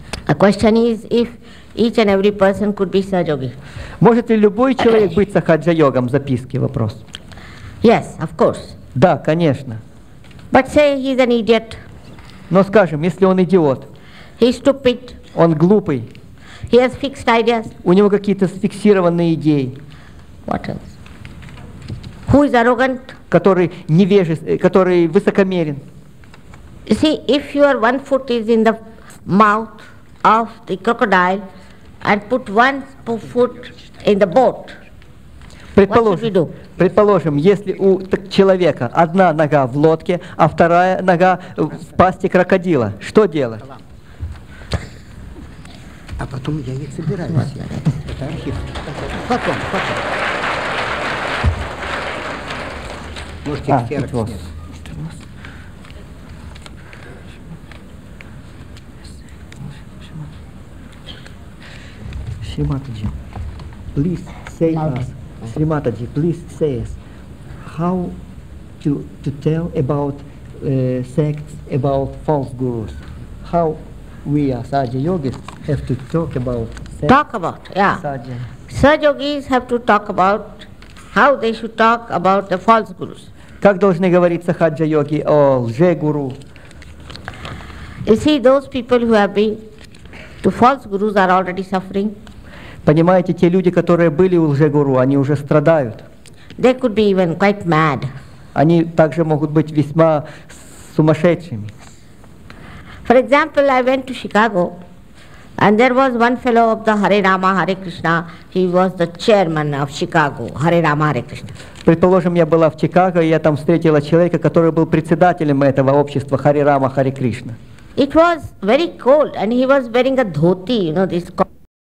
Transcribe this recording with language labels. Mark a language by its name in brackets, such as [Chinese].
[English] A question is if each and every person could be Sahaja Yogi. [Russian] Может ли любой человек быть Сахаджа Йогом? Записки, вопрос. [English] Yes, of course. [Russian] Да, конечно. [English] But say he's an idiot. [Russian] Но скажем, если он идиот. [English] He's stupid. [Russian] Он глупый. [English] He has fixed ideas. [Russian] У него какие-то сфиксированные идеи. [English] What else? Who is arrogant? [Russian] Который невежественный, который высокомерен. [English] See, if your one foot is in the mouth of the crocodile and put one foot in the boat, [Russian] предположим, [English] what should we do? [Russian] Предположим, если у человека одна нога в лодке, а вторая нога в пасти крокодила, что делать? А потом я их собираю. Это архив. Потом, потом. [English] Shrimataji, please say us. Shrimataji, please say us. How to tell about sects, about false gurus? How we as Sahaja Yogis have to talk about sects? Talk about, yeah. Sahaja Yogis have to talk about how they should talk about the false gurus. [Russian] Как должны говорить сахаджа-йоги о лже-гуру? [English] You see, those people who have been to false gurus are already suffering. [Russian] Понимаете, те люди, которые были у лже-гуру, они уже страдают. [English] They could be even quite mad. [Russian] Они также могут быть весьма сумасшедшими. [English] For example, I went to Chicago, and there was one fellow of the Hare Rama Hare Krishna. He was the chairman of Chicago, Hare Rama Hare Krishna. [Russian] Предположим, я была в Чикаго, и я там встретила человека, который был председателем этого общества Хари Рама Хари Кришна. [English] It was very cold, and he was wearing a dhoti, you know, this coat.